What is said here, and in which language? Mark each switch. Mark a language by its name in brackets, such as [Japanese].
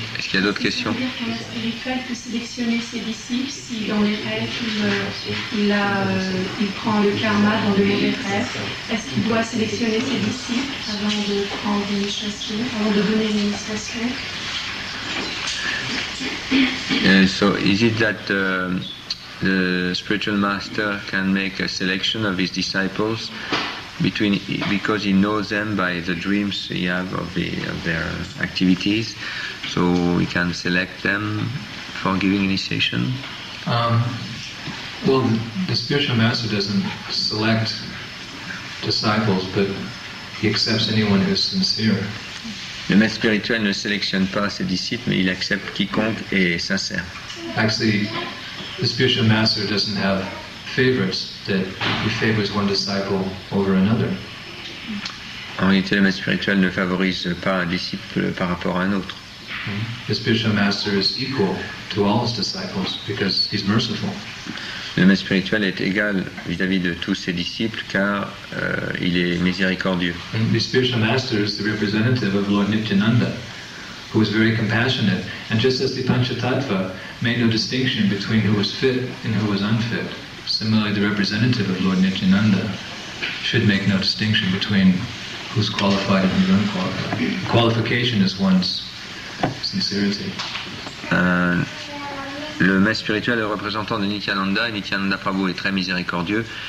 [French] Est-ce qu'il y a d'autres questions? Est-ce qu'il doit sélectionner ses disciples avant de prendre une chasse, avant de donner une initiation? [English] So is it that the spiritual master can make a selection of his disciples? Because he knows them by the dreams he have of their activities, so he can select them for giving initiation. The spiritual master doesn't select disciples, but he accepts anyone who is sincere. [French] Le maître spirituel ne sélectionne pas ses disciples, mais il accepte quiconque est sincère. [English] Actually, the spiritual master doesn't have favors, that he favors one disciple over another. [French] En réalité, le maître spirituel ne favorise pas un disciple par rapport à un autre. [English] The spiritual master is equal to all his disciples because he's merciful. [French] Le maître spirituel est égal vis-à-vis de tous ses disciples car il est miséricordieux. [English] The spiritual master is the representative of Lord Nityananda, who is very compassionate, and just as the Panchatattva made no distinction between who was fit and who was unfit, similarly the representative of Lord Nityananda should make no distinction between who's qualified and who's unqualified. Qualification is one's sincerity. [French] Le maître spirituel est le représentant de Nityananda, et Nityananda Prabhu est très miséricordieux.